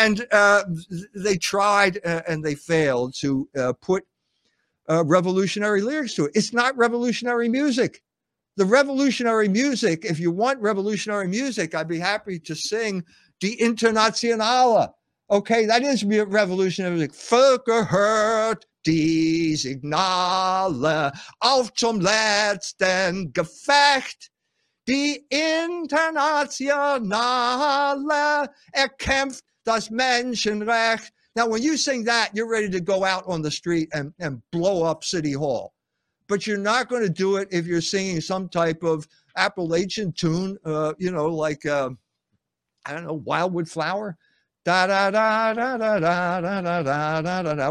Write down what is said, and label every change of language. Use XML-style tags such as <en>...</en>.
<en>They tried and they failed to put revolutionary lyrics to it. It's not revolutionary music. The revolutionary music, if you want revolutionary music, I'd be happy to sing Die Internationale. Okay, that is revolutionary music.</en> <de>Völker hört die Signale auf zum letzten Gefecht. Die Internationale erkämpft das Menschenrecht.</de> <en>Now, when you sing that, you're ready to go out on the street and blow up City Hall. But you're not going to do it if you're singing some type of Appalachian tune, you know, like, I don't know, Wildwood Flower. Da da da da da da da da da da da da.</en>